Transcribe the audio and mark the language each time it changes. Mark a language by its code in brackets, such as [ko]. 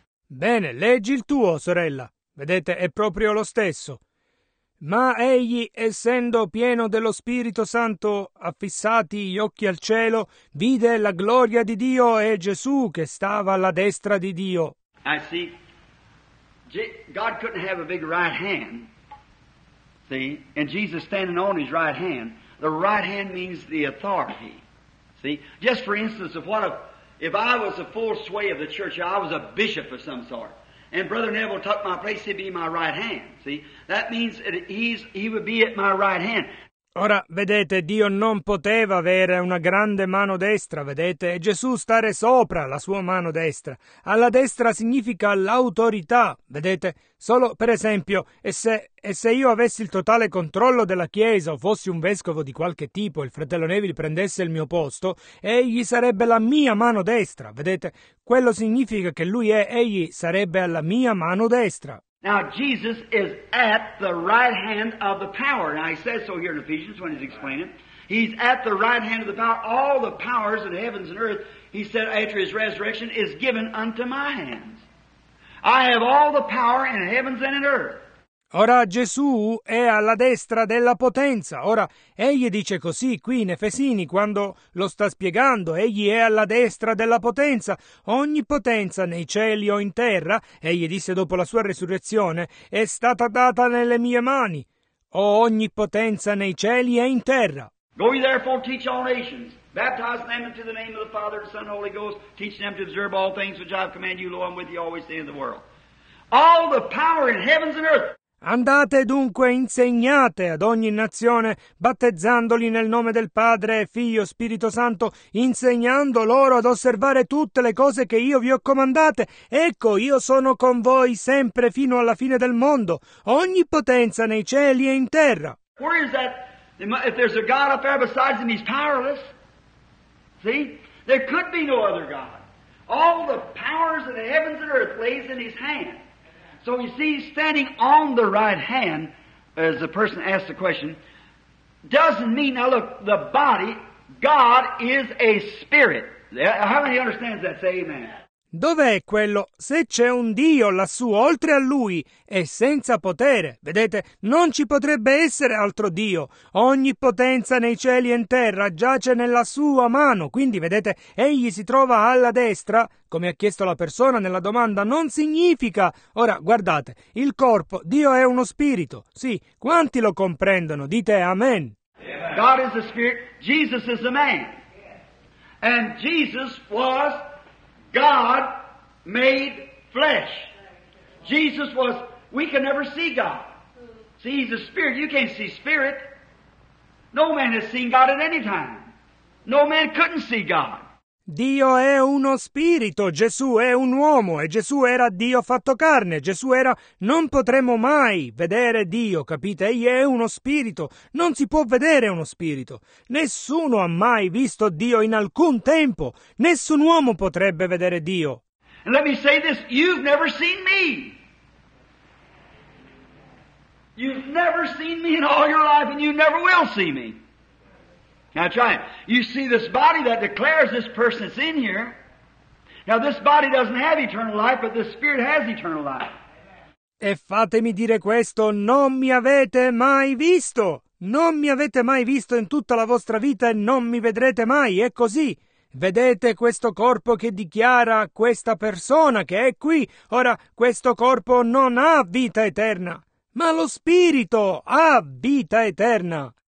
[it] Bene, leggi il tuo, sorella. Vedete, è proprio lo stesso. Ma egli, essendo pieno dello Spirito Santo, affissati gli occhi al cielo, vide la gloria di Dio e Gesù che stava alla destra di Dio. [en] I see. God couldn't have a big right hand. See? And Jesus standing on his right hand. The right hand means the authority. See? Just for instance, if I was a full sway of the church, I was a bishop of some sort. And Brother Neville took my place, he'd be my right hand. See, that means he would be at my right hand. [it] Ora, vedete, Dio non poteva avere una grande mano destra, vedete, e Gesù stare sopra la sua mano destra. Alla destra significa l'autorità, vedete. Solo, per esempio, e se io avessi il totale controllo della Chiesa o fossi un vescovo di qualche tipo e il fratello Neville prendesse il mio posto, egli sarebbe la mia mano destra, vedete. Quello significa che egli sarebbe alla mia mano destra. [en] Now Jesus is at the right hand of the power. Now he says so here in Ephesians when he's explaining. He's at the right hand of the power. All the powers of the heavens and earth, he said after his resurrection, is given unto my hands. I have all the power in heavens and in earth. [it] Ora Gesù è alla destra della potenza. Ora, egli dice così qui in Efesini quando lo sta spiegando. Egli è alla destra della potenza. Ogni potenza nei cieli o in terra, egli disse dopo la sua resurrezione, è stata data nelle mie mani. O ogni potenza nei cieli e in terra. [en] Go ye therefore teach all nations, baptize them into the name of the Father, the Son, and the Holy Ghost, teach them to observe all things which I have commanded you, lo, I'm with you always to the end of the world. All the power in heavens and earth. [it] Andate dunque, insegnate ad ogni nazione, battezzandoli nel nome del Padre, Figlio, Spirito Santo, insegnando loro ad osservare tutte le cose che io vi ho comandate. Ecco, io sono con voi sempre fino alla fine del mondo. Ogni potenza nei cieli e in terra. [en] Where is that? If there's a God up there besides him, he's powerless. See? There could be no other God. All the powers of the heavens and earth lays in his hand. So you see, standing on the right hand, as the person asked the question, doesn't mean, now look, the body, God is a spirit. How many understands that? Say amen. [it] Dov'è quello? Se c'è un Dio lassù, oltre a Lui, è senza potere. Vedete, non ci potrebbe essere altro Dio. Ogni potenza nei cieli e in terra giace nella sua mano. Quindi, vedete, egli si trova alla destra, come ha chiesto la persona nella domanda, non significa... Ora, guardate, il corpo, Dio è uno spirito. Sì, quanti lo comprendono? Dite amen. [en] God is a spirit, Jesus is a man. And Jesus was... God made flesh. Jesus was, we can never see God. See, he's a spirit. You can't see spirit. No man has seen God at any time. No man couldn't see God. [it] Dio è uno spirito, Gesù è un uomo e Gesù era Dio fatto carne. Gesù era, non potremo mai vedere Dio, capite? Egli è uno spirito, non si può vedere uno spirito. Nessuno ha mai visto Dio in alcun tempo. Nessun uomo potrebbe vedere Dio. [en] And let me say this, you've never seen me. You've never seen me in all your life and you never will see me. Now try it. You see this body that declares this person is in here. Now this body doesn't have eternal life, but this spirit has eternal life. [it] E fatemi dire questo, non mi avete mai visto. Non mi avete mai visto in tutta la vostra vita e non mi vedrete mai, è così. Vedete questo corpo che dichiara questa persona che è qui. Ora, questo corpo non ha vita eterna, ma lo spirito ha vita eterna.